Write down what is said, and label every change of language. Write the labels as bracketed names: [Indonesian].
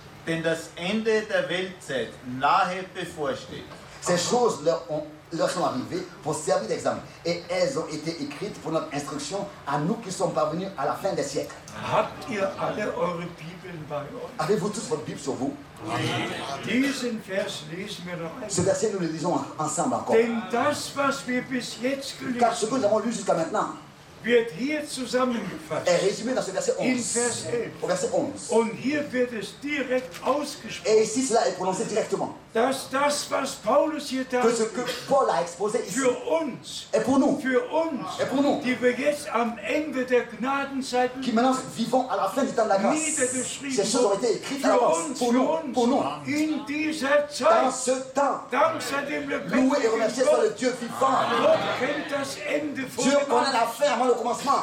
[German] denn das Ende der Weltzeit nahe bevorsteht. [French] Ces choses leur sont arrivées pour servir d'exemple. Et elles ont été écrites pour notre instruction à nous qui sommes parvenus à la fin des siècles. [German] Habt ihr alle eure Bibeln bei euch? [French] Avez-vous tous votre Bible sur vous? [German] Diesen Vers lesen wir noch einmal. [French] Ce verset, nous le lisons ensemble encore. [German] Denn das, was wir bis jetzt gelesen [French] car ce que nous avons lu jusqu'à maintenant [German] wird hier zusammengefasst. [French] Est résumé dans ce verset 11. [German] In Vers 11. [French] Au verset 11. [German] Und hier wird es direkt ausgesprochen. [French] Et ici, cela est prononcé directement. [German] Dass das, was Paulus hier [French] tat, que ce que Paul a exposé ici [German] für uns, [French] est pour nous. [German] Für uns, [French] est pour nous. [German] Die wir jetzt am Ende der Gnadenzeit, [French] qui maintenant vivons à la fin du temps de la grâce. Ces choses ont été écrites [German] für [French] à [German] uns, [French] pour nous. [German] Uns, [French] pour nous. [German] In dieser Zeit, [French] dans ce temps. [German] Dank sei dem lebendigen [French] Gott. Loué et remercié soit le Dieu vivant. [German] Gott kennt das Ende von [French] Dieu connaît la fin avant le commencement.